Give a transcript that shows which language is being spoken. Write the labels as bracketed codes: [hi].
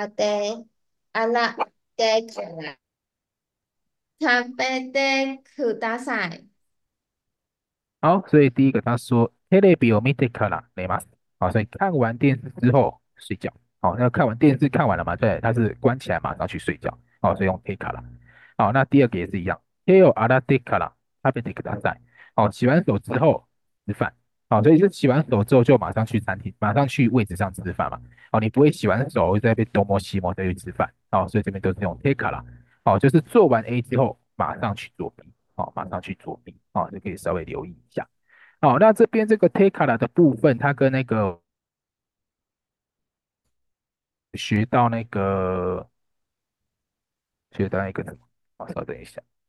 [ja] で、あらでから食べてください。 [zh] 好，所以第一个他说 [ja] テレビを見てから寝ます。 [zh] 好，所以看完电视之后睡觉。好，那看完电视看完了嘛？对，他是关起来马上去睡觉。好，所以用テから。好，那第二个也是一样。 [ja] テをあらってから食べてください。 [zh] 好，洗完手之后吃饭。好，所以是洗完手之后就马上去餐厅，马上去位置上吃饭嘛。好，你不会洗完手再被东摸西摸再去吃饭。好，所以这边都是用テから。好，就是做完 A 之后马上去做 B。好，马上去做 B。好，就可以稍微留意一下。好，那这边这个テから的部分，它跟那个学到那个。学到一个什么？好，稍等一下。